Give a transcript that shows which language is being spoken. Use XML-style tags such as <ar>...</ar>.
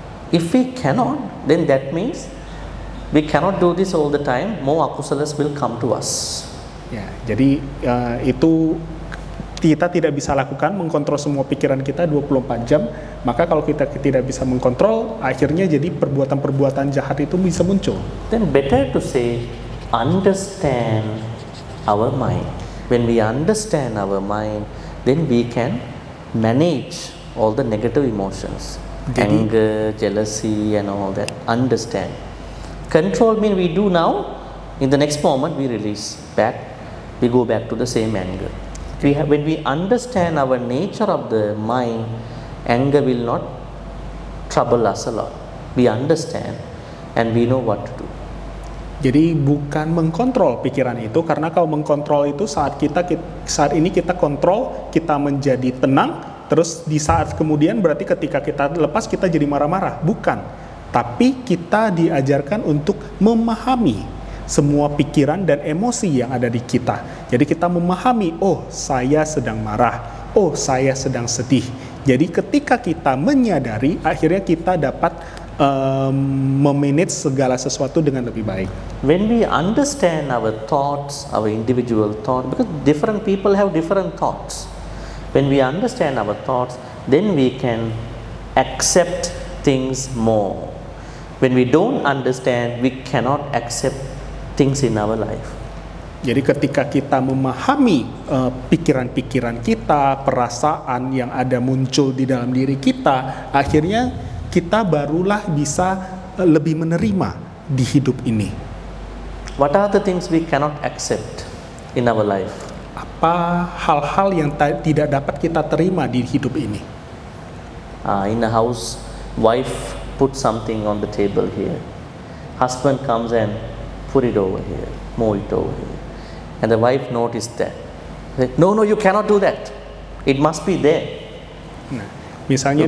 <en>If we cannot, then that means we cannot do this all the time. More akusalas will come to us.</en> <id>Ya, jadi itu. Kita tidak bisa lakukan mengkontrol semua pikiran kita 24 jam, maka kalau kita tidak bisa mengkontrol, akhirnya jadi perbuatan-perbuatan jahat itu bisa muncul.</id> <en>Then better to say understand our mind. When we understand our mind, then we can manage all the negative emotions,</en> <id>jadi,</id> <en>anger, jealousy and all that. Understand. Control mean we do now, in the next moment we release back, we go back to the same anger. We have, when we understand our nature of the mind, anger will not trouble us a lot. We understand and we know what to do.</en> <id>Jadi bukan mengkontrol pikiran itu, karena kalau mengkontrol itu saat ini kita kontrol, kita menjadi tenang, terus di saat kemudian berarti ketika kita lepas kita jadi marah-marah. Bukan. Tapi kita diajarkan untuk memahami semua pikiran dan emosi yang ada di kita. Jadi kita memahami, oh saya sedang marah, oh saya sedang sedih. Jadi ketika kita menyadari, akhirnya kita dapat memanage segala sesuatu dengan lebih baik.</id> <en>When we understand our thoughts, our individual thoughts, because different people have different thoughts. When we understand our thoughts, then we can accept things more. When we don't understand, we cannot accept things in our life.</en> <id>Jadi ketika kita memahami pikiran-pikiran kita, perasaan yang ada muncul di dalam diri kita, akhirnya kita barulah bisa lebih menerima di hidup ini.</id> <en>What are the things we cannot accept in our life?</en> <id>Apa hal-hal yang tidak dapat kita terima di hidup ini?</id> <en>In the house, wife put something on the table here. Husband comes and put it over here, move it over here. And the wife noticed that. No, no, you cannot do that. It must be there.</en> <id>Misalnya</id>